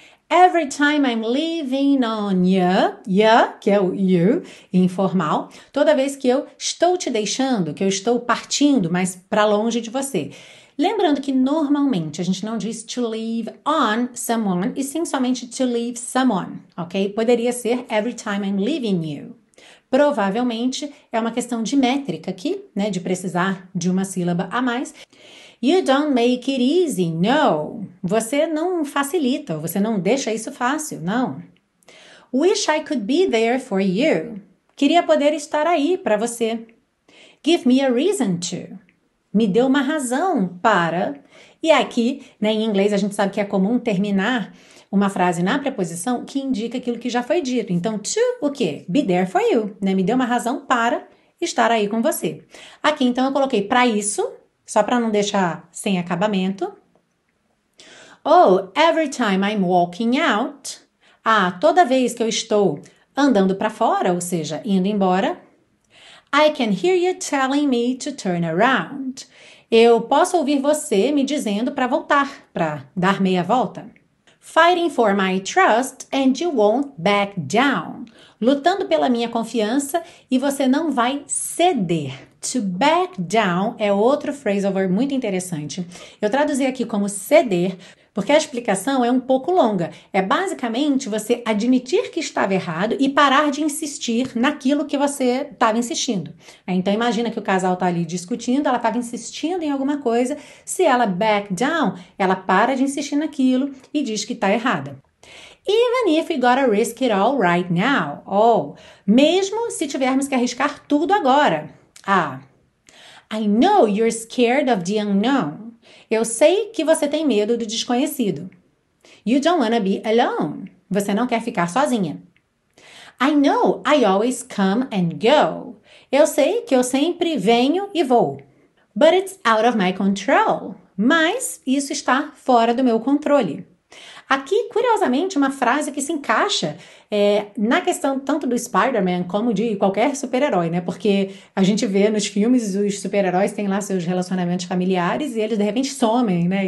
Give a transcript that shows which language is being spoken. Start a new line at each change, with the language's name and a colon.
English: Every time I'm leaving on you,
Portuguese: que é o you, informal, toda vez que eu estou te deixando, que eu estou partindo, mas para longe de você. Lembrando que normalmente a gente não diz
English: to leave on someone,
Portuguese: e sim somente
English: to leave someone,
Portuguese: ok? Poderia ser
English: every time I'm leaving you.
Portuguese: Provavelmente é uma questão de métrica aqui, né? De precisar de uma sílaba a mais.
English: You don't make it easy, no.
Portuguese: Você não facilita, você não deixa isso fácil, não.
English: Wish I could be there for you.
Portuguese: Queria poder estar aí para você.
English: Give me a reason to.
Portuguese: Me deu uma razão para. E aqui, né, em inglês, a gente sabe que é comum terminar uma frase na preposição que indica aquilo que já foi dito. Então, to, o quê?
English: Be there for you.
Portuguese: Né? Me deu uma razão para estar aí com você. Aqui, então, eu coloquei para isso, só para não deixar sem acabamento.
English: Oh, every time I'm walking out.
Portuguese: Ah, toda vez que eu estou andando para fora, ou seja, indo embora.
English: I can hear you telling me to turn around.
Portuguese: Eu posso ouvir você me dizendo para voltar, para dar meia volta.
English: Fighting for my trust and you won't back down.
Portuguese: Lutando pela minha confiança e você não vai ceder. To back down é outro phrasal verb muito interessante. Eu traduzi aqui como ceder, porque a explicação é um pouco longa. É basicamente você admitir que estava errado e parar de insistir naquilo que você estava insistindo. Então imagina que o casal está ali discutindo, ela estava insistindo em alguma coisa. Se ela back down, ela para de insistir naquilo e diz que está errada.
English: Even if we gotta risk it all right now.
Portuguese: Oh, mesmo se tivermos que arriscar tudo agora.
English: Ah, I know you're scared of the unknown.
Portuguese: Eu sei que você tem medo do desconhecido.
English: You don't wanna be alone.
Portuguese: Você não quer ficar sozinha.
English: I know I always come and go.
Portuguese: Eu sei que eu sempre venho e vou.
English: But it's out of my control.
Portuguese: Mas isso está fora do meu controle. Aqui, curiosamente, uma frase que se encaixa na questão tanto do Spider-Man como de qualquer super-herói, né? Porque a gente vê nos filmes os super-heróis têm lá seus relacionamentos familiares e eles de repente somem, né?